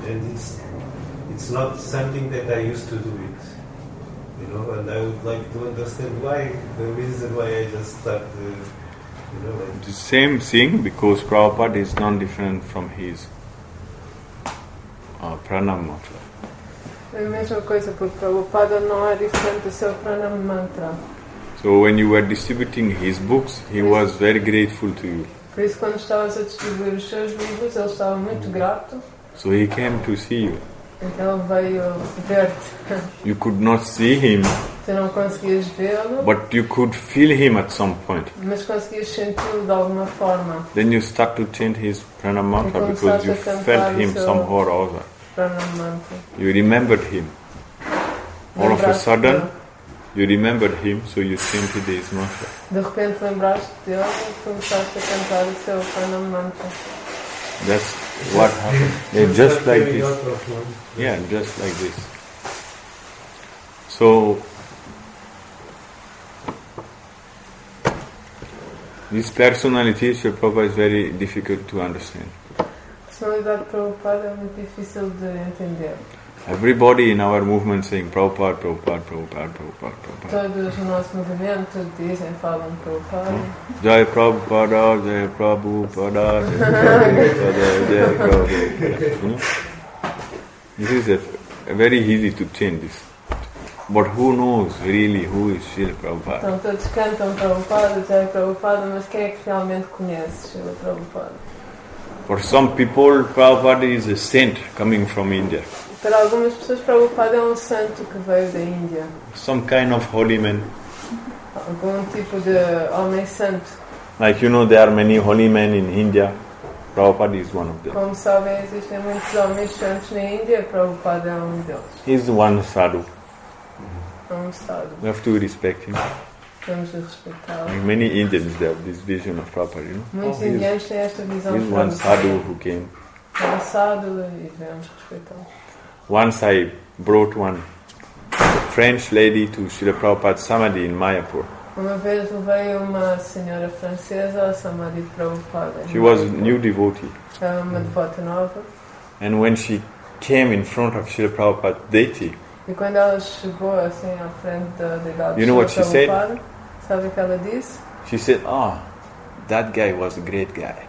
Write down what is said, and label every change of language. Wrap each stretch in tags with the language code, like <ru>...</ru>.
<en>And it's not something that I used to do it, you know, and I would like to understand why, the reason why I just started, you know. Like the same thing, because Prabhupada is non-different from his. Pranam mantra.</en> <pt>É a mesma coisa, porque Prabhupada não é diferente do seu pranam mantra.</pt> <en>So when you were distributing his books, he was very grateful to you.</en> <pt>Por isso, quando estavas a distribuir os seus livros, ele estava muito grato.</pt> <en>So he came to see you.</en> <pt>Então ele veio ver-te.</pt> <en>You could not see him.</en> <pt>Tu não conseguias vê-lo.</pt> <en>But you could feel him at some point.</en> <pt>Mas conseguias senti-lo de alguma forma.</pt> <en>Then you start to chant his pranamantra because you felt him somehow or other. Pranamantra. You remembered him. All of a sudden, you remembered him, so you chanted his mantra.</en> <pt>De repente lembraste dele e começaste a cantar o seu pranamantra.</pt> <en>That's what happened. Yeah, just like this. Yeah, just like this. So, this personality, Sri Prabhupada, is very difficult to understand.</en> <pt>Personalidade Prabhupada é muito difícil de entender.</pt> <en>Everybody in our movement saying Prabhupada, Prabhupada, Prabhupada, Prabhupada, Prabhupada.</en> <pt>Todos no nosso movimento dizem, falam Prabhupada. Jai Prabhupada, Jai Prabhupada, Jai Prabhupada, Jai Prabhupada.</pt> <en>This is a very easy to change this. But who knows really who is Srila Prabhupada?</en> <pt>Então todos cantam Prabhupada, Jai Prabhupada, mas quem é que realmente conhece Srila Prabhupada?</pt> <en>For some people, Prabhupada is a saint coming from India.</en> <pt>Para algumas pessoas, Prabhupada é um santo que veio da Índia.</pt> <en>Some kind of holy man.</en> <pt>Algum tipo de homem santo.</pt> <en>Like you know, there are many holy men in India. Prabhupada is one of them.</en> <pt>Como sabem, existem muitos homens santos na Índia. Prabhupada é um deles.</pt> <en>He's one sadhu.</en> <pt>Um sadhu.</pt> <en>We have to respect him.</en> <pt>Temos de respeitá-lo.</pt> <en>Like many Indians, they have this vision of Prabhupada, you know?</en> <pt>Muitos indianos têm esta visão de Prabhupada.</pt> <en>He's one sadhu who came.</en> <pt>É um sadhu e devemos respeitá-lo.</pt> <en>Once I brought one French lady to Srila Prabhupada's Samadhi in Mayapur.</en> <pt>Uma vez levei uma senhora francesa ao Samadhi de Prabhupada.</pt> <en>She was a new devotee.</en> <pt>Era uma devota nova.</pt> <en>And when she came in front of Srila Prabhupada's deity.</en> <pt>E quando ela chegou assim à frente da deidade de Srila Prabhupada.</pt> <en>You know what she said?</en> <pt>Sabe o que ela disse?</pt> <en>She said, "Oh, that guy was a great guy."</en>